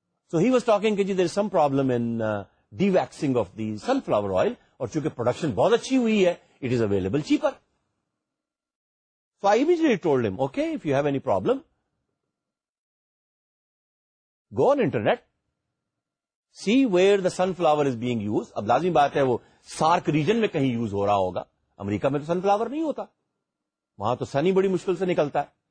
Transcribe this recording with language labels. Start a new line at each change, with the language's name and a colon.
English: so he was talking
Urdu: کہ جی
English: there some problem in dewaxing of the sunflower oil,
Urdu: اور چونکہ production بہت اچھی ہوئی ہے
English: It is available cheaper. So I immediately told ہم okay, if you have any problem go on internet, see where the sunflower is being use.
Urdu: اب لازمی بات ہے وہ سارک ریجن میں کہیں یوز ہو رہا ہوگا, امریکہ میں تو سن فلاور نہیں ہوتا, وہاں تو سنی بڑی مشکل سے نکلتا ہے.